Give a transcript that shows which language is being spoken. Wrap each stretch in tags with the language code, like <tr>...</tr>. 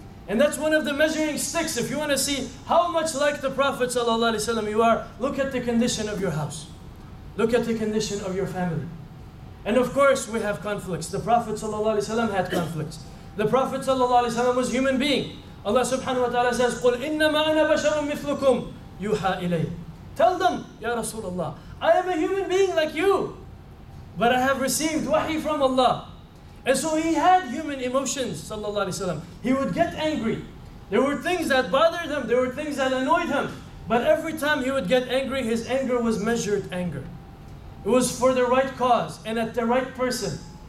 <en>And that's one of the measuring sticks. If you want to see how much like the Prophet sallallahu alaihi wasallam you are, look at the condition of your house. Look at the condition of your family. And of course, we have conflicts. The Prophet sallallahu alaihi wasallam had conflicts. The Prophet sallallahu alaihi wasallam was a human being. Allah subhanahu wa ta'ala says,</en> <ar>قُلْ إِنَّمَا أَنَا بَشَرٌ مِثْلُكُمْ يُوحَى إِلَيْهِ.</ar> <en>Tell them, Ya Rasulullah, I am a human being like you, but I have received wahi from Allah. And so he had human emotions, sallallahu alaihi wasallam. He would get angry. There were things that bothered him, there were things that annoyed him. But every time he would get angry, his anger was measured anger. It was for the right cause and at the right person.</en>